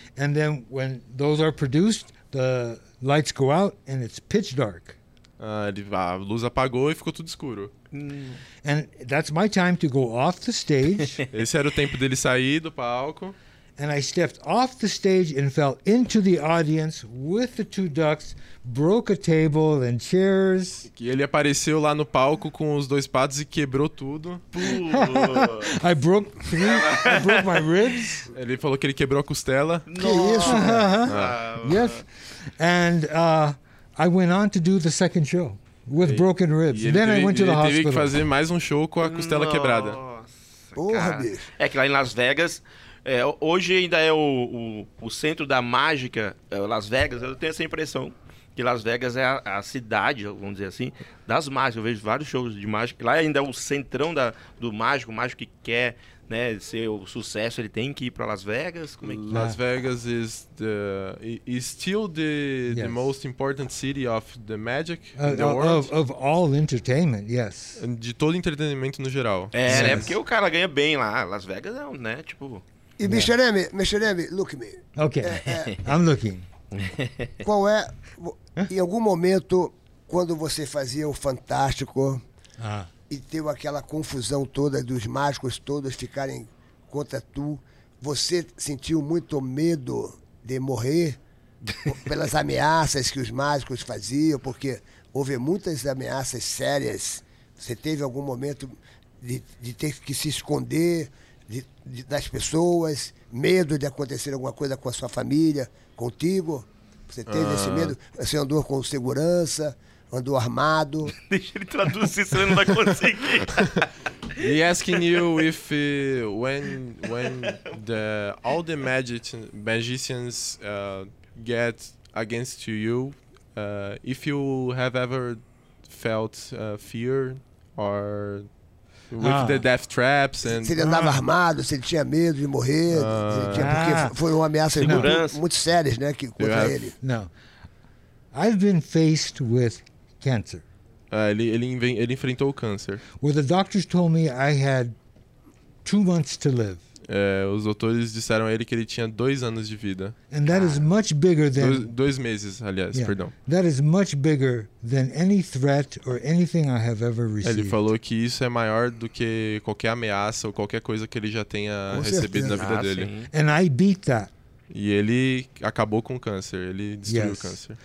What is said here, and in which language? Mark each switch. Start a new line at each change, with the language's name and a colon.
English: And then when those are produced, the lights go out and it's pitch dark.
Portuguese: A luz apagou e ficou tudo escuro.
English: And that's my time to go off the stage.
Portuguese: Esse era o tempo dele sair do palco.
English: And I stepped off the stage and fell into the audience with the two ducks, broke a table and chairs.
Portuguese: E ele apareceu lá no palco com os dois patos e quebrou tudo.
English: I broke my ribs.
Portuguese: Ele falou que ele quebrou a costela. Que isso?
English: Yes. And I went on to do the second show with broken ribs. Then I went to the hospital.
Portuguese: Ele teve que fazer mais um show com a costela quebrada. Porra, bicho. É que lá em Las Vegas, hoje ainda é o centro da mágica, Las Vegas. Eu tenho essa impressão que Las Vegas é a cidade, vamos dizer assim, das mágicas. Eu vejo vários shows de mágica. Lá ainda é o centrão do mágico. O mágico que quer, né, ser o sucesso, ele tem que ir para Las Vegas. Como é que
English: Las Vegas is still the most important city of the magic in the world. Of all entertainment, yes.
Portuguese: De todo entretenimento no geral. É porque o cara ganha bem lá. Las Vegas é, né, tipo...
English: E Michelemi, look me. Ok, I'm looking.
Portuguese: Qual é, em algum momento, quando você fazia o Fantástico e teve aquela confusão toda dos mágicos todos ficarem contra tu, você sentiu muito medo de morrer pelas ameaças que os mágicos faziam? Porque houve muitas ameaças sérias. Você teve algum momento de ter que se esconder das pessoas, medo de acontecer alguma coisa com a sua família, contigo? Você teve esse medo? Você andou com segurança, andou armado? Deixa ele traduzir, senão ele não vai conseguir.
English: He asking you if when the all the magicians get against you, if you have ever felt fear or with the death traps and...
Portuguese: Se ele andava armado, se ele tinha medo de morrer, porque foi uma ameaça muito séria, né, contra ele.
English: No. I've been faced with cancer.
Portuguese: Ele enfrentou o câncer.
English: Where the doctors told me I had 2 months to live.
Portuguese: Os doutores disseram a ele que ele tinha 2 anos de vida.
English: And that is much bigger than...
Portuguese: Dois meses, aliás, perdão.
English: That is much bigger than any threat or anything I have ever received.
Portuguese: Ele falou que isso é maior do que qualquer ameaça ou qualquer coisa que ele já tenha recebido na vida dele. Sim.
English: And I beat that.
Portuguese: E ele acabou com o câncer, ele destruiu o câncer.